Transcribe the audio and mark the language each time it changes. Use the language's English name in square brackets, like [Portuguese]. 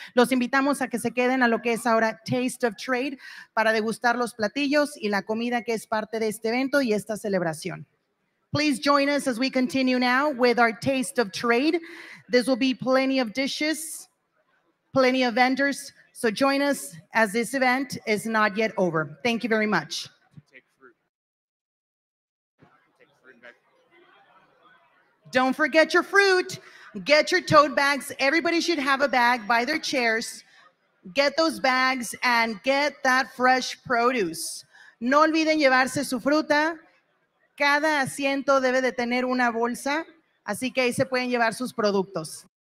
[Spanish] Los invitamos a que se queden a lo que es ahora Taste of Trade para degustar los platillos y la comida que es parte de este evento y esta celebración. [English] Please join us as we continue now with our Taste of Trade. This will be plenty of dishes, plenty of vendors. So join us as this event is not yet over. Thank you very much. Don't forget your fruit. Get your tote bags. Everybody should have a bag by their chairs. Get those bags and get that fresh produce. [Spanish] No olviden llevarse su fruta. Cada asiento debe de tener una bolsa, así que ahí se pueden llevar sus productos.